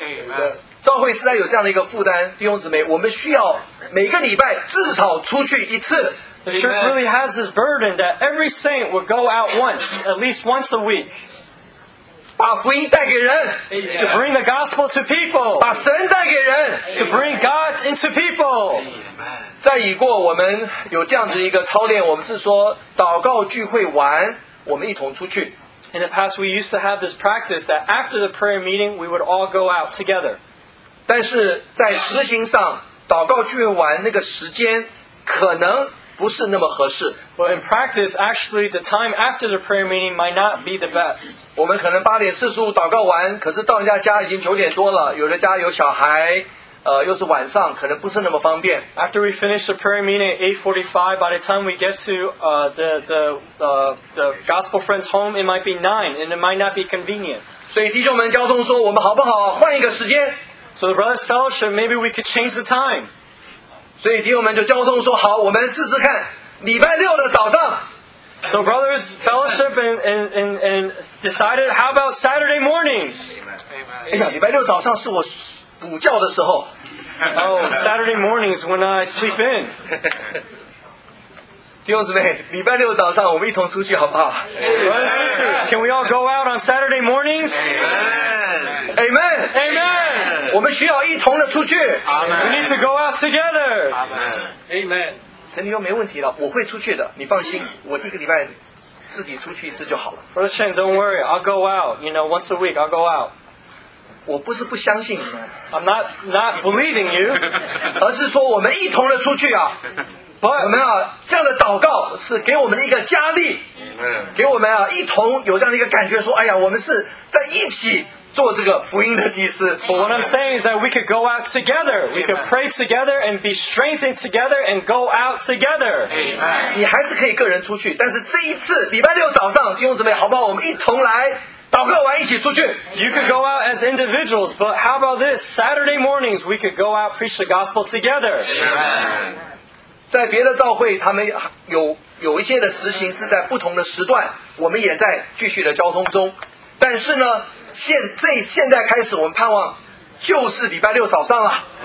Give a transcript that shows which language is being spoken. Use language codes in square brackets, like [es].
[en] Amen. [zh] 教会实在有这样的一个负担，弟兄姊妹，我们需要每个礼拜至少出去一次。 [en] The church really has this burden that every saint will go out once, at least once a week. [zh] 把福音带给人 [en] to bring the gospel to people [zh] 把神带给人 [en] to bring God into people [zh] 在已过我们有这样子一个操练我们是说祷告聚会完我们一同出去 [en] In the past we used to have this practice that after the prayer meeting we would all go out together [zh] 但是在实行上祷告聚会完那个时间可能不是那么合适。 [en] But in practice, actually, the time after the prayer meeting might not be the best. [zh] 我们可能八点四十五祷告完，可是到人家家已经九点多了，有的家有小孩，又是晚上，可能不是那么方便。 [en] After we finish the prayer meeting at 8:45, by the time we get to the gospel friend's home, it might be 9, and it might not be convenient. [zh] 所以弟兄们交通说，我们好不好？换一个时间。 [en] So the brothers fellowship, maybe we could change the time. [zh] 所以弟兄们就交通说好，我们试试看礼拜六的早上。 [en] So brothers fellowship and decided how about Saturday mornings? [zh] 哎呀，礼拜六早上是我补觉的时候。 [en] Oh, Saturday mornings when I sleep in. [zh] 弟兄姊妹，礼拜六早上我们一同出去好不好 [en] ？Brothers and sisters, can we all go out on Saturday mornings? Amen. Amen. Amen. Amen. [zh] 我们需要一同的出去。 [en] Amen. We need to go out together. Amen. [zh] 陈弟兄没问题了，我会出去的，你放心，我一个礼拜自己出去一次就好了。 [en] Brother Chen, don't worry, I'll go out. You know, once a week, I'll go out. [zh] 我不是不相信你们。 [en] I'm not believing you. [zh] 而是说我们一同的出去啊。 [en] But, [zh] 我们啊，这样的祷告是给我们一个加力，给我们啊一同有这样的一个感觉，说哎呀，我们是在一起。做这个福音的祭司。 [en] But what I'm saying is that we could go out together. We could pray together and be strengthened together and go out together. Amen. [zh] 你还是可以个人出去，但是这一次礼拜六早上，弟兄姊妹，好不好？我们一同来祷告完一起出去。 [en] You could go out as individuals, but how about this? Saturday mornings, we could go out preach the gospel together. Amen. [zh] 在别的召会，他们有一些的实行是在不同的时段，我们也在继续的交通中，但是呢。现在开始，我们盼望就是礼拜六早上了。